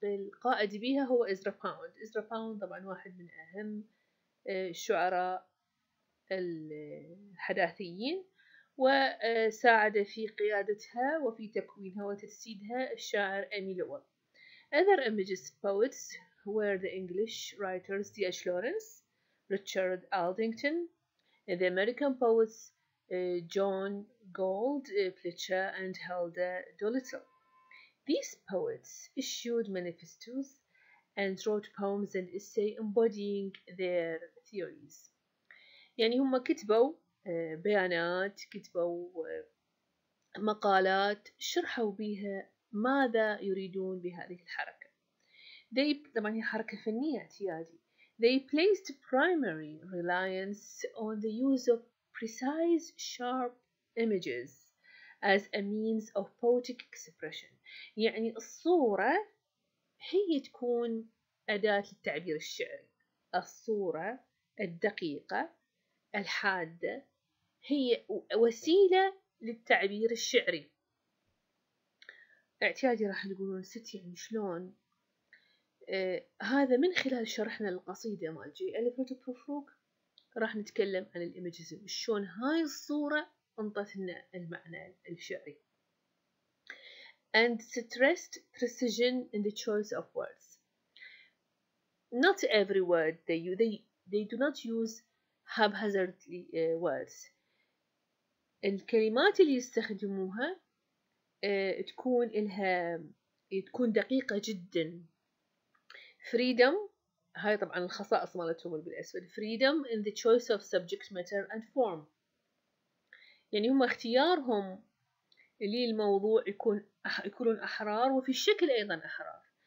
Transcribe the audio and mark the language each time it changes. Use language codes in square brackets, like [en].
[ar] كان القائد بها هو إزرا باوند. إزرا باوند طبعا واحد من أهم الشعراء الحداثيين وساعد في قيادتها وفي تكوينها وتجسيدها الشاعر أمي لوول. [en] Other imagist poets were the English writers D.H. Lawrence, Richard Aldington, the American poets John Gould, Fletcher, and Hilda Doolittle. These poets issued manifestos and wrote poems and essays embodying their theories. [ar] يعني هم كتبوا بيانات, كتبوا مقالات, شرحوا بها ماذا يريدون بهذه الحركة. طبعاً هي حركة فنية اعتيادي. [en] They placed primary reliance on the use of precise, sharp images as a means of poetic expression. [ar] يعني الصورة هي تكون أداة للتعبير الشعري. الصورة الدقيقة الحادة هي وسيلة للتعبير الشعري. اعتيادي راح نقولون ست يعني شلون؟ هذا من خلال شرحنا للقصيدة مال جي ألفريد بروفروك راح نتكلم عن الإيمجيزم, شلون هاي الصورة انطت لنا المعنى الشعري. [en] And stressed precision in the choice of words. Not every word they do not use haphazardly words. [ar] الكلمات اللي يستخدموها تكون لها تكون دقيقة جدا. Freedom, هاي طبعا الخصائص مالتهم بالأسود. [en] Freedom in the choice of subject matter and form. [ar] يعني هم اختيارهم للموضوع يكونون أحرار وفي الشكل أيضا أحرار.